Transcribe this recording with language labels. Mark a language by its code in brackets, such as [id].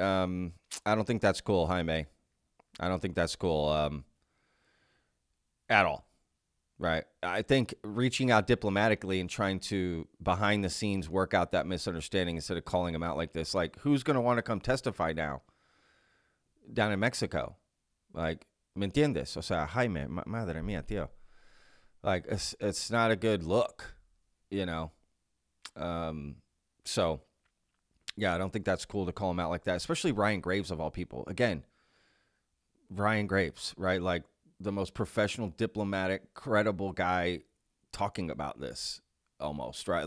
[en] I don't think that's cool, Jaime. I don't think that's cool at all, right? I think reaching out diplomatically and trying to, behind the scenes, work out that misunderstanding instead of calling him out like this. Like, who's going to want to come testify now down in Mexico? [es] Like, ¿me entiendes? O sea, Jaime, madre mía, tío. [en] Like, it's not a good look, you know? So, yeah, I don't think that's cool to call him out like that, especially Ryan Graves, of all people. Again, Ryan Graves, right? Like, the most professional, diplomatic, credible guy talking about this, almost, right?